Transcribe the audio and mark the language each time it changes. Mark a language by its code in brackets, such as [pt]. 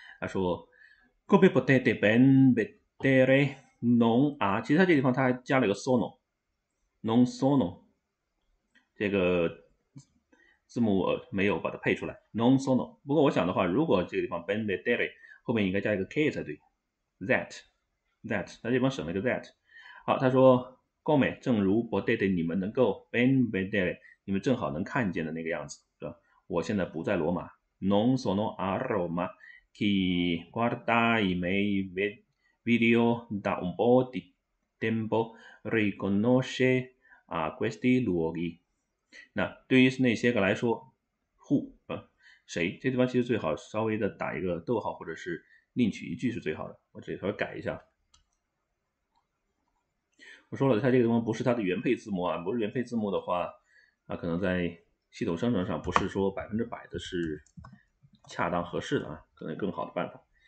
[zh] 他说， [it] Come potete ben vedere non [zh] 啊，其实他这地方他还加了个 sono，non sono 这个字母我没有把它配出来，non sono。不过我想的话，如果这个地方 ben vedere 后面应该加一个 che 才对，that，他这地方省了一个 that。好，他说，Come 正如 potete 你们能够 ben vedere 你们正好能看见的那个样子。我现在不在罗马， [it] Non sono a Roma, che guarda i miei video da un po' di tempo riconosce a questi luoghi。 [zh] 那对于那些个来说，who 谁？这地方其实最好稍微的打一个逗号，或者是另取一句是最好的。我这里稍微改一下，我说了，它这个地方不是它的原配字母啊，不是原配字母的话，那可能在系统生成上不是说100%的是恰当合适的啊，可能更好的办法。